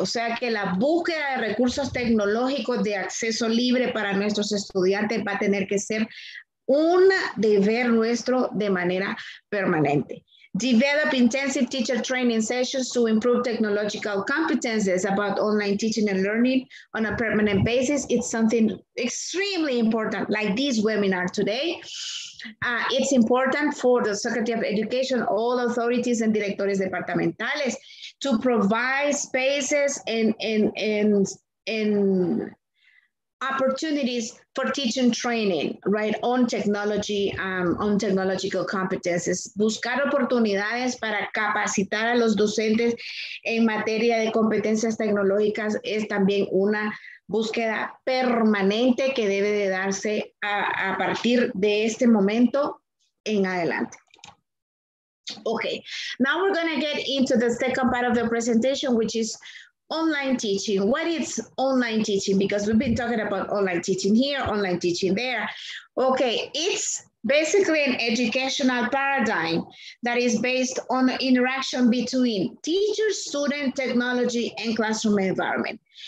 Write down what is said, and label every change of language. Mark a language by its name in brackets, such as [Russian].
[Spanish] O sea que la búsqueda de recursos tecnológicos de acceso libre para nuestros estudiantes va a tener que ser un deber nuestro de manera permanente. [English] Develop intensive teacher training sessions to improve technological competences about online teaching and learning on a permanent basis. It's something extremely important, like this webinar today. It's important for the Secretary of Education, all authorities and [Spanish] directores departamentales [English] to provide spaces and opportunities for teaching training, right, on technology, on technological competences. [Spanish] Buscar oportunidades para capacitar a los docentes en materia de competencias tecnológicas es también una búsqueda permanente que debe de darse a partir de este momento en adelante. [English] Okay, now we're going to get into the second part of the presentation, which is online teaching. What is online teaching? Because we've been talking about online teaching here, online teaching there. Okay, it's basically an educational paradigm that is based on the interaction between teacher, student, technology, and classroom environment.